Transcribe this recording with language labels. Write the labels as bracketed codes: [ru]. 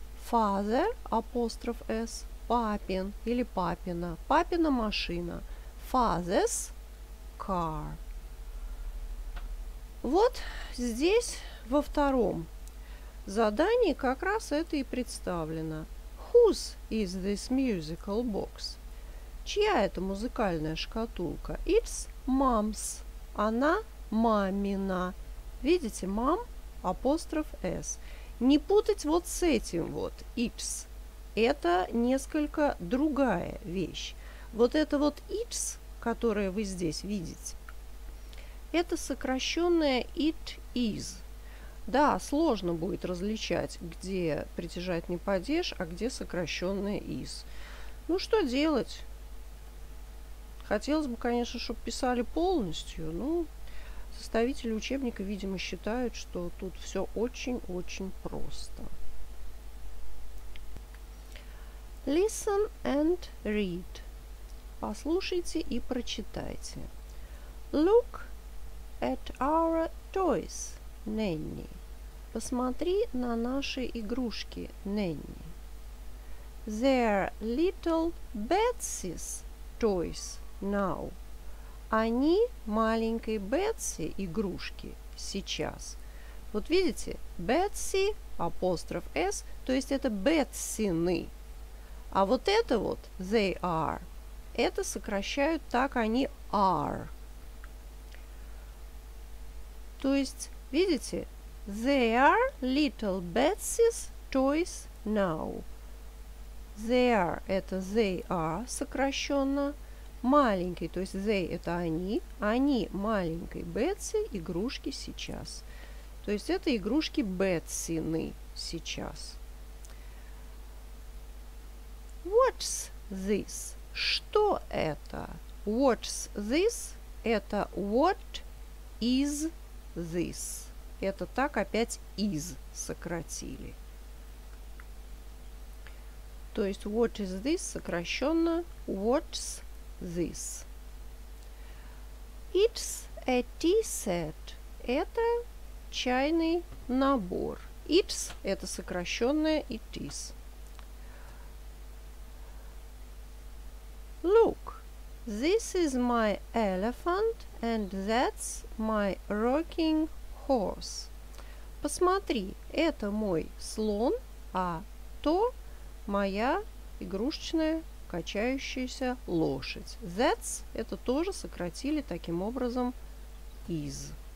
[ru] Father, апостроф s, папин или папина, папина машина. [en] Father's car. [ru] Вот здесь во втором задании как раз это и представлено. [en] Whose is this musical box? [ru] Чья это музыкальная шкатулка? [en] It's mom's. [ru] Она мамина. Видите, mom, апостроф s. Не путать вот с этим вот, it's. Это несколько другая вещь. Вот это вот it's, которое вы здесь видите, это сокращенное it is. Да, сложно будет различать, где притяжательный падеж, а где сокращенное is. Ну, что делать? Хотелось бы, конечно, чтобы писали полностью, но составители учебника, видимо, считают, что тут все очень-очень просто. [en] Listen and read. [ru] Послушайте и прочитайте. [en] Look at our toys, Nanny. [ru] Посмотри на наши игрушки, Nanny. [en] They're little Betsy's toys now. [ru] Они маленькой Бетси игрушки сейчас. Вот видите, Betsy, апостроф S, то есть это Бетсины. А вот это вот, [en] they are, [ru] это сокращают так, они are. То есть, видите, [en] they are little Betsy's toys now. They are, [ru] это [en] they are, [ru] сокращенно, маленький, то есть they – это они. Они – маленькой Бетси игрушки сейчас. То есть это игрушки Бетсины сейчас. [en] What's this? [ru] Что это? [en] What's this? Это what is this? [ru] Это так опять is сократили. То есть [en] what is this [ru] сокращенно [en] what's this. It's a tea set. [ru] Это чайный набор. [en] It's – [ru] это сокращенное [en] it is. Look, this is my elephant and that's my rocking horse. [ru] Посмотри, это мой слон, а то моя игрушечная качающаяся лошадь. That's – это тоже сократили таким образом is.